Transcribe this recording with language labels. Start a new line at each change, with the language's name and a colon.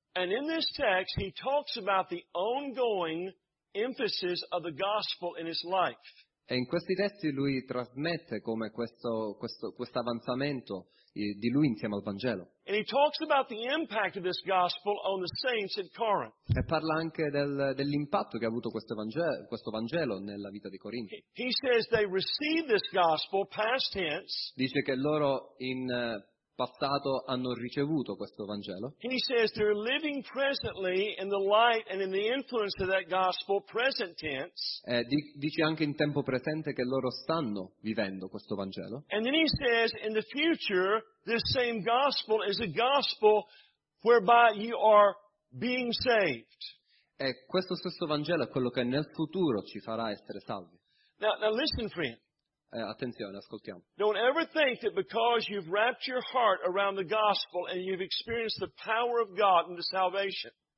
English: And in this text, he talks about the ongoing emphasis of the gospel in his life.
Italian: E in questi testi lui trasmette come questo avanzamento di lui insieme al Vangelo.
English: And he talks about the impact of this gospel on the saints at Corinth.
Italian: E parla anche dell'impatto che ha avuto questo Vangelo nella vita di Corinto.
English: He says they received this gospel past tense.
Italian: Dice che loro in passato hanno ricevuto questo Vangelo.
English: He says they're living presently in the light and in the influence of that gospel, present tense.
Italian: Dice anche in tempo presente che loro stanno vivendo questo Vangelo.
English: And then he says in the future this same gospel is a gospel whereby you are being saved.
Italian: E questo stesso Vangelo è quello che nel futuro ci farà essere salvi.
English: Now listen, friend.
Italian: Attenzione, ascoltiamo.
English: Don't ever think that because you've wrapped your heart around the gospel and you've experienced the power of God into salvation.